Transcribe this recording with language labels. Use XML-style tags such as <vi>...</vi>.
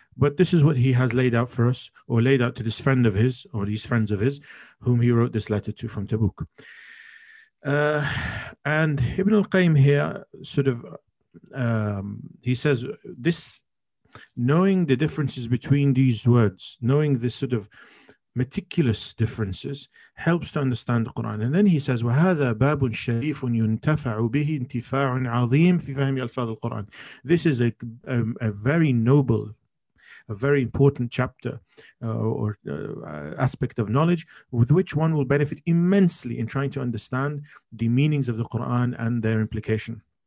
<en>But this is what he has laid out for us, or laid out to this friend of his, or these friends of his, whom he wrote this letter to from Tabuk. And Ibn al-Qayyim here sort of, he says, this knowing the differences between these words, knowing this sort of meticulous differences, helps to understand the Quran. And then he says,</en> <ar>وَهَذَا بَابٌ شَرِيفٌ يُنْتَفَعُ بِهِ انْتِفَاعٌ عَظِيمٌ فِي فَهْمِ أَلْفَاظِ الْقُرْآنِ.</ar> <en>This is a very noble, a very important chapter or aspect of knowledge with which one will benefit immensely in trying to understand the meanings of the Quran and their implication.</en>